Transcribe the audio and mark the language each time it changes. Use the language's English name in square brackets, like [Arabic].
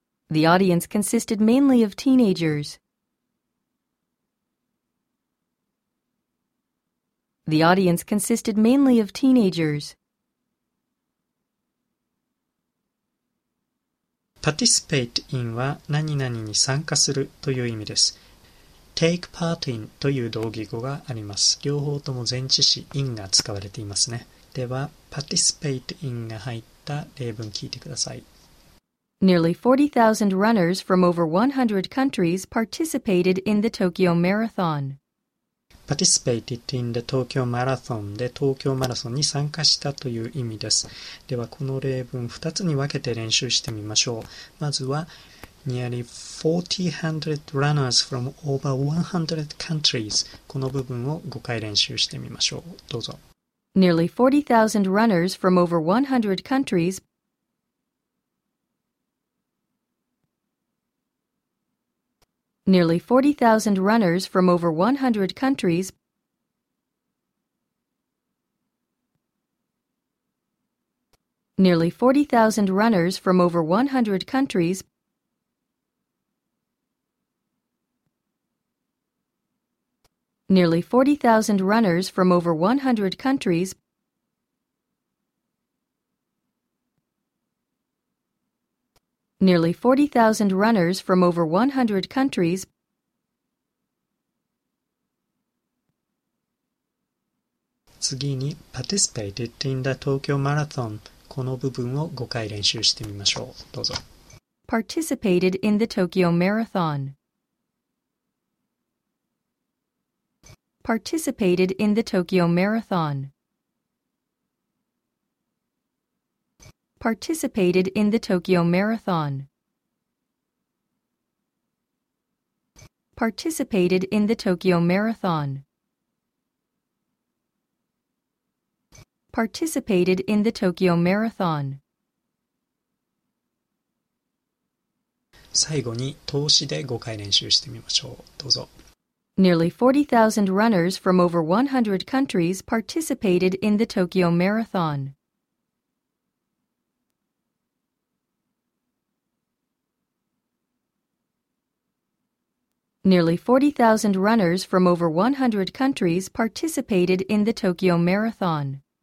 [English] The audience consisted mainly of teenagers. The audience consisted mainly of teenagers. [Japanese] Participate in は何々に参加するという意味です。 Take part in という同義語があります。両方とも前置詞 in が使われていますね。では、participate in が入った例文聞いてください。 [English] Nearly 40,000 runners from over 100 countries participated in the Tokyo Marathon. Participated in the Tokyo Marathon [Japanese] で東京マラソンに参加したという意味です。ではこの例文2つに分けて練習してみましょう。まずは [English] Nearly 40,000 runners from over 100 countries [Japanese] この部分を5回練習してみましょう。どうぞ。 [English] Nearly 40,000 runners from over 100 countriesNearly 40,000 runners from over 100 countries Nearly 40,000 runners from over 100 countries Nearly 40,000 runners from over 100 countriesNearly 40,000 runners from over 100 countries. Participated in the Tokyo Marathon. [Japanese] この部分を5回練習してみましょう。どうぞ。 [English] Participated in the Tokyo Marathon. Participated in the Tokyo Marathon. Participated in the Tokyo Marathon. Participated in the Tokyo Marathon. Participated in the Tokyo Marathon. [Japanese] 最後に通しで5回練習してみましょう。どうぞ。 [English] Nearly 40,000 runners from over 100 countries participated in the Tokyo Marathon. Nearly 40,000 runners from over 100 countries participated in the Tokyo Marathon.